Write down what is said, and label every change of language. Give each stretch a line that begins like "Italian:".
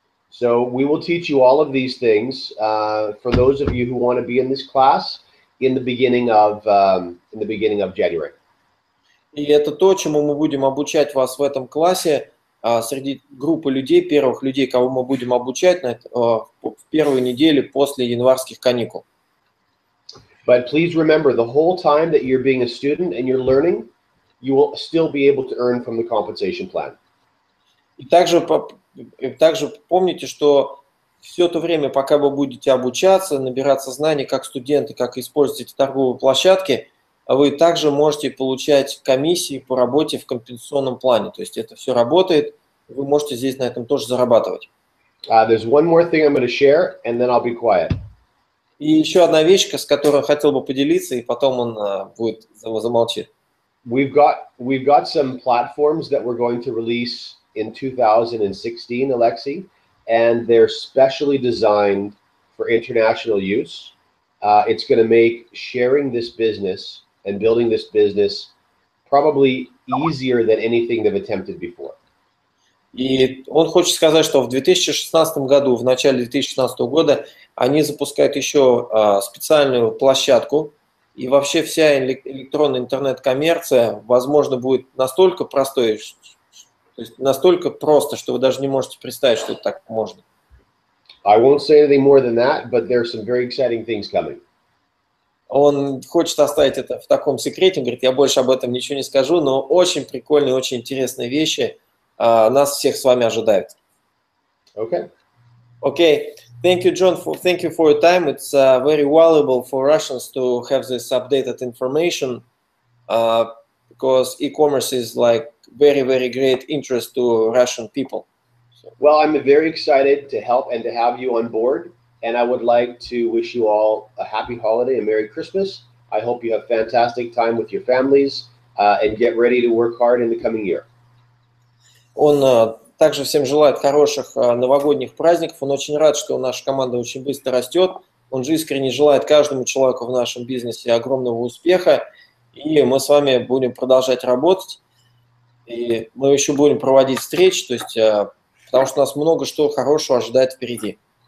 English: So we will teach you all of these things for those of you who want to be in this class in the beginning of January.
Russian: И это то, чему мы будем обучать вас в этом классе. Среди группы людей, первых людей, кого мы будем обучать в первой неделе после январских каникул.
English: But please remember, the whole time that you're being a student and you're learning, you will still be able to earn from the compensation plan.
Russian: И также помните, что все то время, пока вы будете обучаться, набираться знаний как студенты, как использовать эти торговые площадки, вы также можете получать комиссии по работе в компенсационном плане. То есть это все работает, вы можете здесь на этом тоже зарабатывать. И еще одна вещь, с которой хотел бы поделиться, и потом он будет замолчать.
English: We've got some platforms that we're going to release in 2016, Alexei, and they're specially designed for international use. It's going to make sharing this business and building this business probably easier than anything they've attempted before.
Russian: И он хочет сказать, что в 2016 году, в начале 2016 года, они запускают еще специальную площадку, и вообще вся электронная интернет-коммерция, возможно, будет настолько простой, то есть настолько просто, что вы даже не можете представить, что это так можно.
English: I won't say anything more than that, but there are some very exciting things coming.
Russian: Он хочет оставить это в таком секрете, он говорит, я больше об этом ничего не скажу, но очень прикольные, очень интересные вещи нас всех с вами ожидают.
English: Okay. Okay. Thank you, John. Thank you for your time. It's very valuable for Russians to have this updated information because e-commerce is like very, very great interest to Russian people. Well, I'm very excited to help and to have you on board. And I would like to wish you all a happy holiday, a Merry Christmas. I hope you have fantastic time with your families and get ready to work hard in the coming year.
Russian: Он также всем желает хороших новогодних праздников. Он очень рад, что наша команда очень быстро растет. Он же искренне желает каждому человеку в нашем бизнесе огромного успеха. И мы с вами будем продолжать работать. И мы еще будем проводить встречи, то есть, потому что у нас много что хорошего ожидает впереди.